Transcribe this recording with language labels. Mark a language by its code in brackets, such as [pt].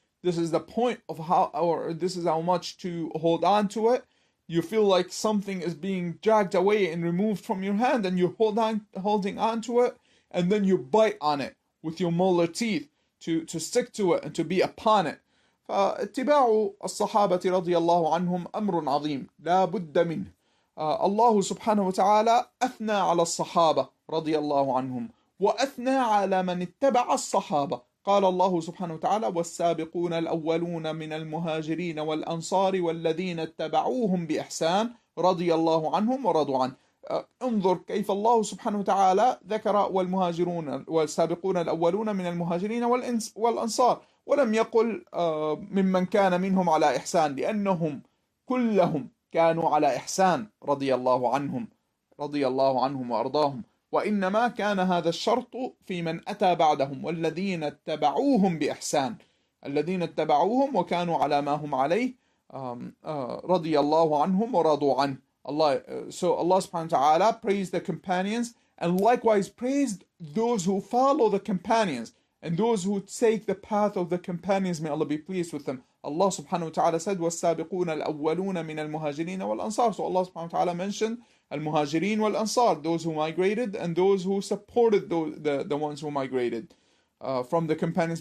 [en] This is the point of how much to hold on to it. You feel like something is being dragged away and removed from your hand, and you holding on to it, and then you bite on it with your molar teeth to stick to it and to be upon it. [ar] فاتباع الصحابة رضي الله عنهم أمر عظيم لا بد منه. الله سبحانه وتعالى أثنى على الصحابة رضي الله عنهم، وأثنى على من اتبع الصحابة. قال الله سبحانه وتعالى: والسابقون الأولون من المهاجرين والأنصار والذين اتبعوهم بإحسان رضي الله عنهم ورضوا عنه. انظر كيف الله سبحانه وتعالى ذكر والمهاجرون والسابقون الأولون من المهاجرين والأنصار، ولم يقل ممن كان منهم على إحسان، لأنهم كلهم كانوا على إحسان رضي الله عنهم وأرضاهم، وإنما كان هذا الشرط في من أتى بعدهم والذين اتبعوهم بإحسان، الذين اتبعوهم وكانوا على ما هم عليه رضي الله عنهم ورضوا عنه. [en] Allah, so Allah [ar] subhanahu wa ta'ala [en] praised the companions and likewise praised those who follow the companions and those who take the path of the companions. May Allah be pleased with them. Allah [ar] subhanahu wa ta'ala [en] said, [ar] وَالسَّابِقُونَ الْأَوَّلُونَ مِنَ الْمُهَاجِرِينَ وَالْأَنصَارِ. [en] So Allah [ar] subhanahu wa ta'ala [en] mentioned [ar] al-muhajirin wal-ansar, [en] those who migrated and those who supported the ones who migrated from the companions.